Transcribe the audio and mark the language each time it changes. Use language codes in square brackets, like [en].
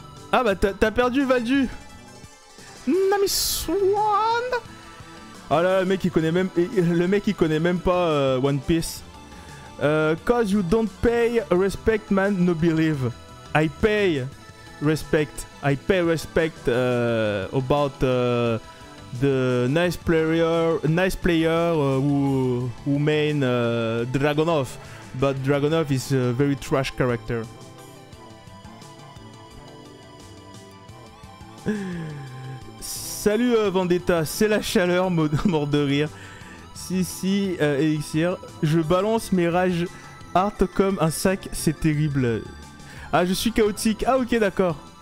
[fr] Ah bah t'as perdu Valdu! Nami Swan! Ah là, le mec il connaît même pas One Piece. [en] Cause you don't pay respect, man, no believe. I pay respect about the nice player who main Dragunov, but Dragunov is a very trash character. [fr] Salut Vendetta, c'est la chaleur, mort de rire. Si, Elixir, je balance mes rage art comme un sac, c'est terrible. Ah, je suis chaotique. Ah, ok, d'accord.